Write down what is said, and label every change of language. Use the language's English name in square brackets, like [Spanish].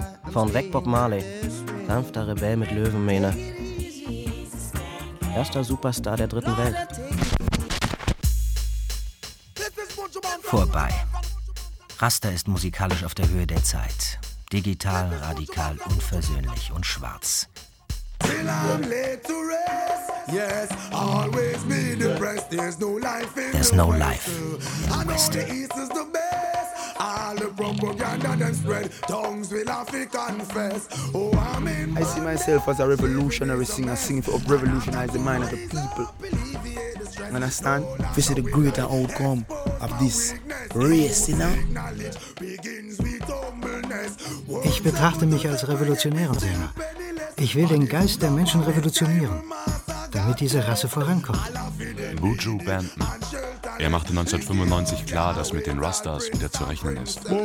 [German] Vornweg Bob Marley, sanfter Rebell mit Löwenmähne. Erster Superstar der dritten Welt. Vorbei. Rasta ist musikalisch auf der Höhe der Zeit. Digital, radikal, unversöhnlich und schwarz. [English] Till I'm laid to rest, yes, always be depressed. There's no life in there's the no life. I know the East is the best. All the propaganda then spread, tongues will have to confess. Oh, I'm in I see myself as a revolutionary singer, singing to revolutionize the mind of the people. Understand? This is the greater outcome of this race, you know? [German] Ich betrachte mich als revolutionären Sänger. Ich will den Geist der Menschen revolutionieren, damit diese Rasse vorankommt. Buju Banton. Er machte 1995 klar, dass mit den Rastas wieder zu rechnen ist.